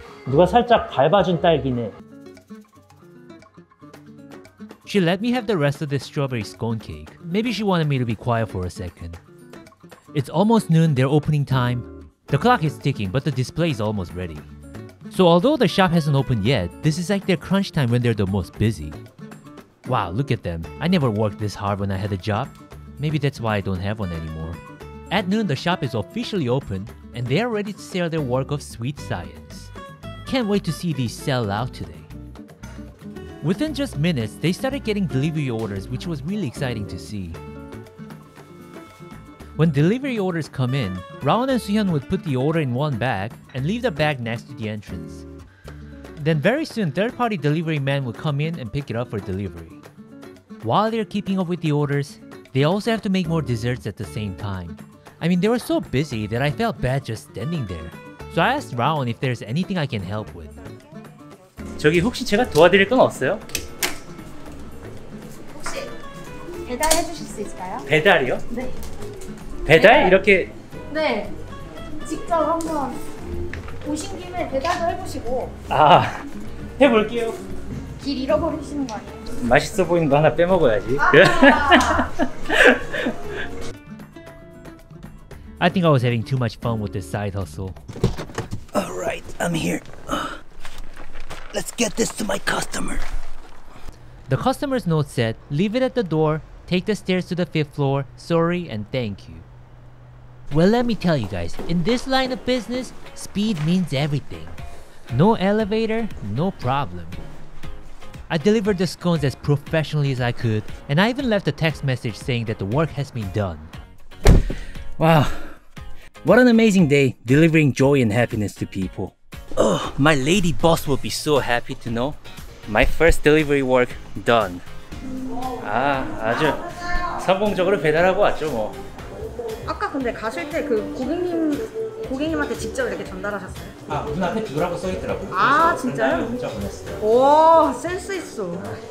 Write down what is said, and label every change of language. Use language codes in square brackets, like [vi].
[ko] 누가 살짝 밟아준 딸기네. [en] She let me have the rest of this strawberry scone cake. Maybe she wanted me to be quiet for a second. It's almost noon, their opening time. The clock is ticking, but the display is almost ready. So although the shop hasn't opened yet, this is like their crunch time when they're the most busy. Wow, look at them. I never worked this hard when I had a job. Maybe that's why I don't have one anymore. At noon, the shop is officially open, and they are ready to sell their work of sweet science. Can't wait to see these sell out today. Within just minutes, they started getting delivery orders, which was really exciting to see. When delivery orders come in, Raon and Suhyun would put the order in one bag and leave the bag next to the entrance. Then very soon, third-party delivery men would come in and pick it up for delivery. While they're keeping up with the orders, they also have to make more desserts at the same time. I mean, they were so busy that I felt bad just standing there. So I asked Raon if there's anything I can help with. [ko] 저기 혹시 제가 도와드릴 건 없어요? 혹시 배달해 주실 수 있을까요? 배달이요? 네. 배달? 배달? 이렇게? 네. 직접 한번 오신 김에 배달도 해보시고. 아, 해볼게요. 길 잃어버리시는 거 아니에요? 맛있어 보이는 거 하나 빼먹어야지. 아! [en] I think I was having too much fun with this side hustle. Alright, I'm here. Let's get this to my customer. The customer's note said, leave it at the door, take the stairs to the fifth floor, sorry and thank you. Well, let me tell you guys, in this line of business, speed means everything. No elevator, no problem. I delivered the scones as professionally as I could, and I even left a text message saying that the work has been done. Wow, what an amazing day, delivering joy and happiness to people. Oh, my lady boss will be so happy to know. My first delivery work done. [ko] 아, 아주 성공적으로 배달하고 왔죠, 뭐. 아까 근데 가실 때 그 고객님한테 직접 이렇게 전달하셨어요? 아, 문 앞에 두라고 써 있더라고. 아, 진짜요? 문자 보냈어요. 오, 센스 있어.